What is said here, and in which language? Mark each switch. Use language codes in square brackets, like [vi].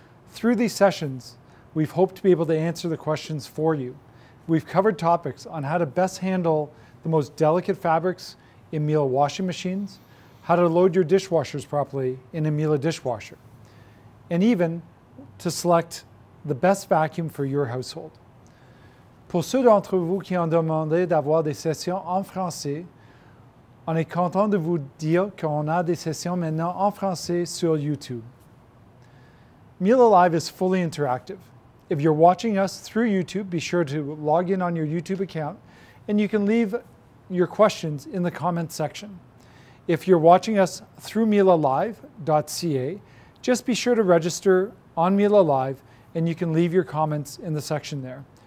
[en] Through these sessions, we've hoped to be able to answer the questions for you. We've covered topics on how to best handle the most delicate fabrics in Miele washing machines, how to load your dishwashers properly in a Miele dishwasher, and even to select the best vacuum for your household. [fr] Pour ceux d'entre vous qui ont demandé d'avoir des sessions en français, on est content de vous dire qu'on a des sessions maintenant en français sur YouTube. [en] Miele Live is fully interactive. If you're watching us through YouTube, be sure to log in on your YouTube account, and you can leave your questions in the comments section. If you're watching us through MieleLive.ca, just be sure to register on Miele Live, and you can leave your comments in the section there.